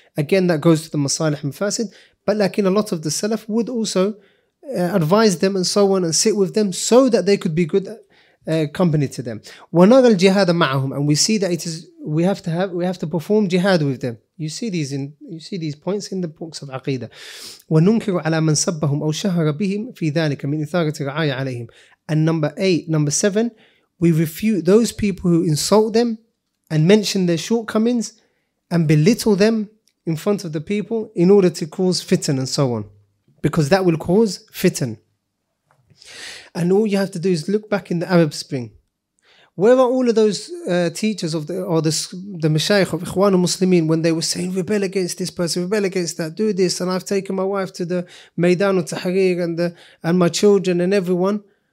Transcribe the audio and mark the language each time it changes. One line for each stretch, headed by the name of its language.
English: Again, that goes to the masalih and fasid. But like in a lot of the salaf would also advise them and so on and sit with them so that they could be good. Company to them.
Arabic: ونرى الجهاد معهم,
English: and we see that it is we have to perform jihad with them. You see these points in the books of Aqeedah.
Arabic: وننكر على من سبهم أو شهر بهم في ذلك من إثارة الرعاية عليهم.
English: And number seven, we refute those people who insult them and mention their shortcomings and belittle them in front of the people in order to cause fitan and so on, because that will cause fitan. And all you have to do is look back in the Arab Spring. Where are all of those teachers of the mashayikh of Ikhwan al-Muslimin when they were saying, rebel against this person, rebel against that, do this, and I've taken my wife to the Maidan al-Tahrir and my children and everyone.